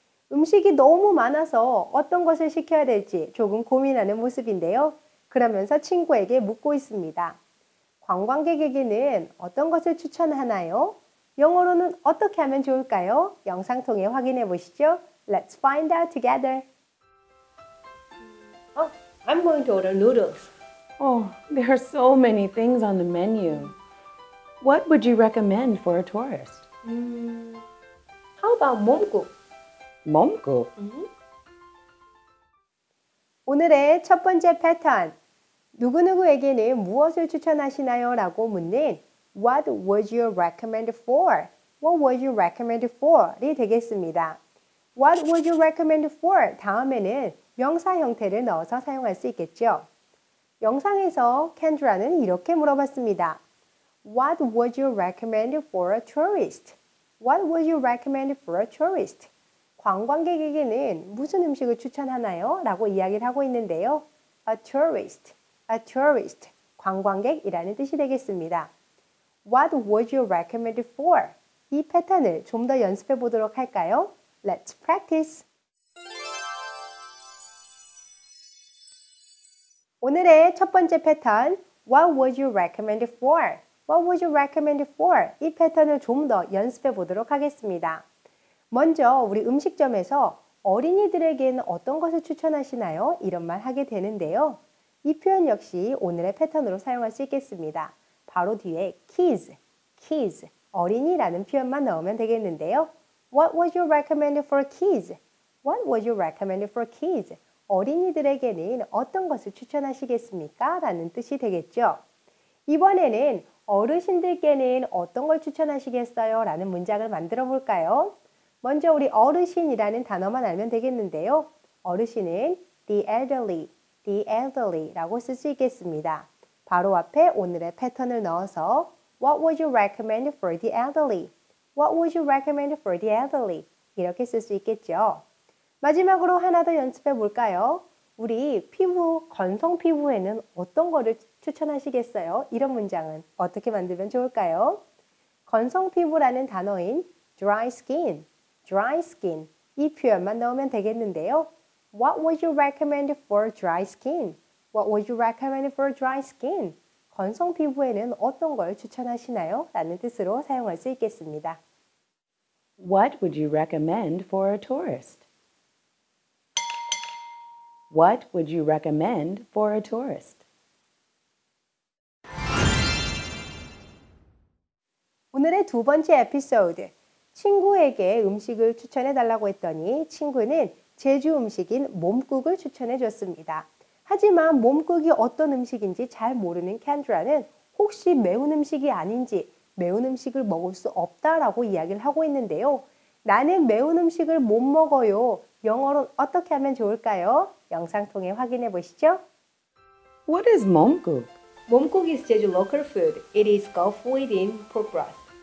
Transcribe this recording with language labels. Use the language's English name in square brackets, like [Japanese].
[Korean] 음식이 너무 많아서 어떤 것을 시켜야 될지 조금 고민하는 모습인데요. 그러면서 친구에게 묻고 있습니다. 관광객에게는 어떤 것을 추천하나요? 영어로는 어떻게 하면 좋을까요? 영상 통해 확인해 보시죠. [English] Let's find out together. Oh, I'm going to order noodles. Oh, there are so many things on the menu. What would you recommend for a tourist? How about 몸국? [Korean] 몸국? Mm-hmm. 오늘의 첫 번째 패턴, 누구누구에게는 무엇을 추천하시나요? 라고 묻는 [English] What would you recommend for? What would you recommend for? [Korean] 이 되겠습니다. [English] What would you recommend for? [Korean] 다음에는 명사 형태를 넣어서 사용할 수 있겠죠. 영상에서 켄드라는 이렇게 물어봤습니다. [English] What would you recommend for a tourist? What would you recommend for a tourist? [Korean] 관광객에게는 무슨 음식을 추천하나요? 라고 이야기를 하고 있는데요. [English] A tourist. A tourist. [Korean] 관광객이라는 뜻이 되겠습니다. [English] What would you recommend for? [Korean] 이 패턴을 좀 더 연습해 보도록 할까요? [English] Let's practice. [Korean] 오늘의 첫 번째 패턴, [English] What would you recommend for? What would you recommend for? [Korean] 이 패턴을 좀 더 연습해 보도록 하겠습니다. 먼저 우리 음식점에서 어린이들에게는 어떤 것을 추천하시나요? 이런 말 하게 되는데요. 이 표현 역시 오늘의 패턴으로 사용할 수 있겠습니다. 바로 뒤에 kids, kids, 어린이라는 표현만 넣으면 되겠는데요. [English] What would you recommend for kids? What would you recommend for kids? [Korean] 어린이들에게는 어떤 것을 추천하시겠습니까? 라는 뜻이 되겠죠. 이번에는 어르신들께는 어떤 걸 추천하시겠어요? 라는 문장을 만들어 볼까요? 먼저 우리 어르신이라는 단어만 알면 되겠는데요. 어르신은 the elderly, the elderly 라고 쓸 수 있겠습니다. 바로 앞에 오늘의 패턴을 넣어서 [English] What would you recommend for the elderly? What would you recommend for the elderly? [Korean] 이렇게 쓸 수 있겠죠. 마지막으로 하나 더 연습해 볼까요? 우리 피부, 건성 피부에는 어떤 거를 추천하시겠어요? 이런 문장은 어떻게 만들면 좋을까요? 건성 피부라는 단어인 dry skin, dry skin 이 표현만 넣으면 되겠는데요. [English] What would you recommend for dry skin? What would you recommend for dry skin? [Korean] 건성 피부에는 어떤 걸 추천하시나요? 라는 뜻으로 사용할 수 있겠습니다. [English] What would you recommend for a tourist? What would you recommend for a tourist? [Korean] 오늘의 두 번째 에피소드, 친구에게 음식을 추천해 달라고 했더니 친구는 제주 음식인 몸국을 추천해 줬습니다. 하지만 몸국이 어떤 음식인지 잘 모르는 켄드라는 혹시 매운 음식이 아닌지 매운 음식을 먹을 수 없다라고 이야기를 하고 있는데요. 나는 매운 음식을 못 먹어요. 영어로 어떻게 하면 좋을까요? 영상 통해 확인해 보시죠. [English] What is 몸국? 몸국 is Jeju local food. It is Gulf within pork broth.